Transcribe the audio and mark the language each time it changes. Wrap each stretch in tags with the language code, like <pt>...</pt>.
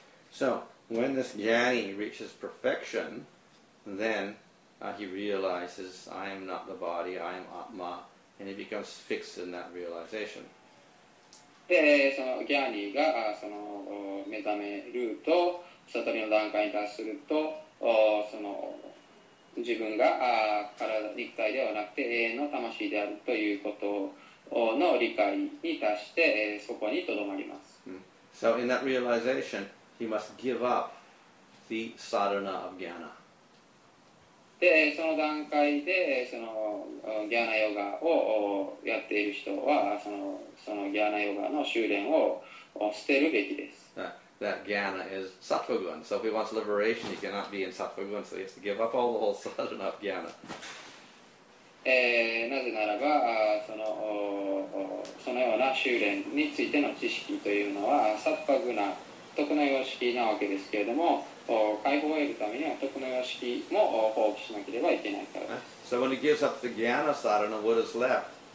<en>So, when this jnani reaches perfection,Then he realizes, I am not the body, I am Atma, and he becomes fixed in that realization.</en> <ja>で、そのギャーニーがその目覚めると、悟りの段階に達すると、その自分が肉体ではなくて永遠の魂であるということの理解に達して、そこにとどまります。</ja> <en>So in that realization, he must give up the sadhana of jnana.</en> <ja>でその段階でそのギャーナヨガをやっている人はそのギャーナヨガの修練を捨てるべきです。</ja> <en>That jnana is sattva guna. So if he wants liberation, he cannot be in sattva guna. So he has to give up all the whole sadhana of jnana.</en> <ja>なぜならばそのような修練についての知識というのはサッパグナ特の様式なわけですけれども。解放を得るためには徳の様式も放棄しなければいけないからです。</ja> <en>So when he gives up the jnana sadhana, what is left?</en>